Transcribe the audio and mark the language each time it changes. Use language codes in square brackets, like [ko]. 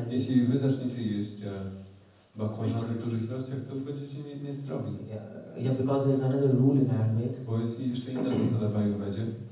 [pl] Jeśli wy zaczniecie jeść bakłażany w dużych ilościach, to będziecie niezdrowi. [en] Yeah, because there's another rule in Ayurveda. [pl] Bo jest jeszcze inna zasada w Ayurvedzie.